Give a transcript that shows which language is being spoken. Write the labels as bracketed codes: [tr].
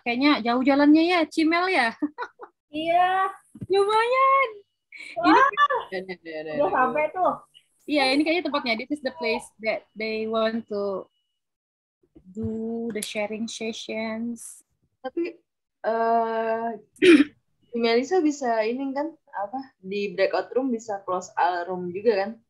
[id] Kayaknya jauh jalannya ya, cimel ya. Iya. Lumayan. Wah. Ini... udah sampai tuh. Iya, ini kayaknya tempatnya. [en] This is the place that they want to do the sharing sessions. [id] Tapi Melissa bisa ini kan apa di breakout room bisa close all room juga kan?